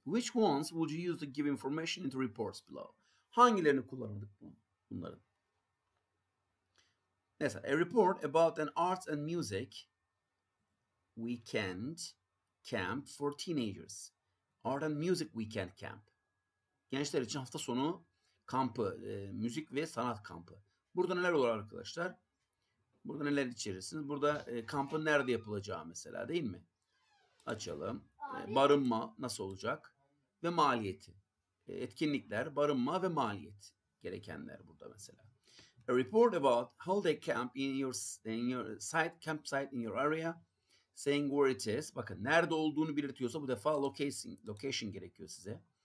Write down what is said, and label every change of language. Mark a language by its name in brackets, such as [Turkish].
[English] Which ones would you use to give information into reports below? [Turkish] Hangilerini kullanırdık bunların? [English] Mesela, a report about an arts and music weekend camp for teenagers. Art and music weekend camp. [Turkish] Gençler için hafta sonu kampı, müzik ve sanat kampı. Burada neler olur arkadaşlar? Burada neler içerirsiniz? Burada kampın nerede yapılacağı mesela değil mi? Açalım. Barınma nasıl olacak? Ve maliyeti. Etkinlikler, barınma ve maliyet gerekenler burada mesela. [English] A report about holiday camp in your site, campsite in your area. Saying where it is. [Turkish] Bakın nerede olduğunu belirtiyorsa bu defa location gerekiyor size.